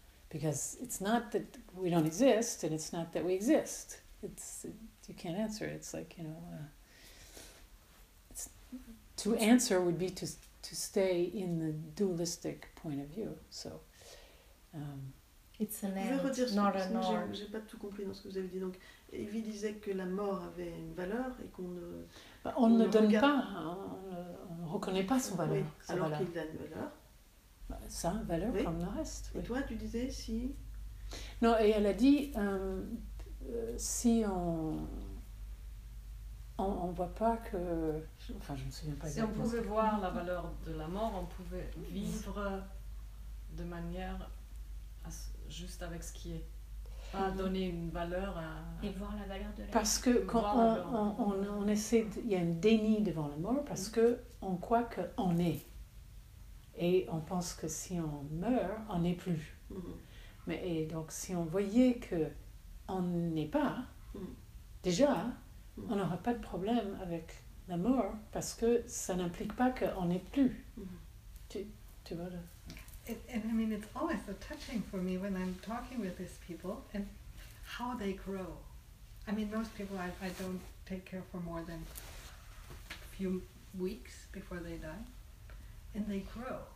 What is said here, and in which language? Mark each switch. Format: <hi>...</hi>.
<en>Because it's not that we don't exist, and it's not that we exist. You can't answer it. It's like, you know, to answer would be to stay in the dualistic point of view. So, it's an end, not an or.</en> <fr>J'ai pas tout compris dans ce que vous avez dit. Donc, Evie disait que la mort avait une valeur et qu'on ne. On ne le donne pas, on ne reconnaît pas son valeur. Oui, alors valeur. Qu'il a une valeur. Ça, valeur oui. Comme le reste. Oui. Et toi, tu disais si. Non, et elle a dit si on. On ne voit pas que. Enfin, je ne me souviens pas si exactement. Si on pouvait voir la valeur de la mort, on pouvait vivre de manière juste avec ce qui est. Pas donner une valeur à. Et voir la valeur de la mort. Parce que quand on essaie. Il y a un déni devant la mort parce qu'on croit qu'on est. Et on pense que si on meurt, on n'est plus. Mm-hmm. Mais et donc si on voyait que on n'est pas, déjà, on n'aurait pas de problème avec la mort parce que ça n'implique pas qu'on n'est plus. Mm-hmm. Tu vois là.</fr> <en>And I mean, it's always so touching for me when I'm talking with these people and how they grow. I mean, most people I don't take care for more than a few weeks before they die. And they grow.</en>